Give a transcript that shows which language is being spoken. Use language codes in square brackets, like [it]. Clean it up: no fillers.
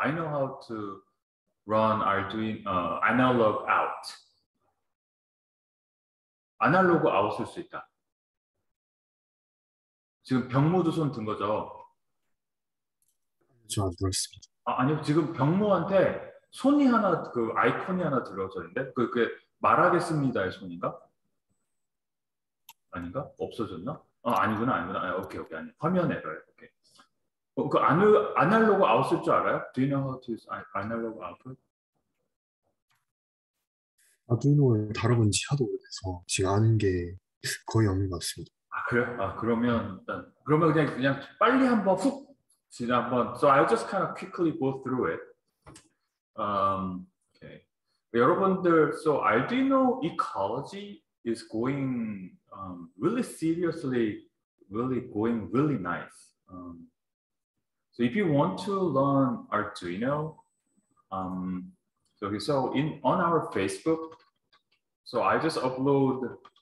[en] I know how to run Arduino analog out. [ko] 아날로그 아웃 쓸 수 있다. 지금 병모도 손 든 거죠? 저 안 들었습니다. 아 아니요 지금 병모한테 손이 하나 그 아이콘이 하나 들어져 있는데 그게 말하겠습니다의 손인가? 아닌가? 없어졌나? 아 아니구나 아니구나. 아, 오케이 오케이 아니 화면 에러. 오케이. 그 아날로그 아웃 쓸 줄 알아요? [en] Do you know how to use analog out? [ko] 아두이노를 다뤄본 지 하도 오래돼서 지금 아는 게 거의 없는 것 같습니다. 아 그래? 아 그러면 일단 그러면 그냥 빨리 한번 훅 지난 한번. [en] So I'll just kind of quickly go through it. Okay. 여러분들, so Arduino ecology is going really seriously, really going really nice. So if you want to learn Arduino, on our Facebook, so I just upload.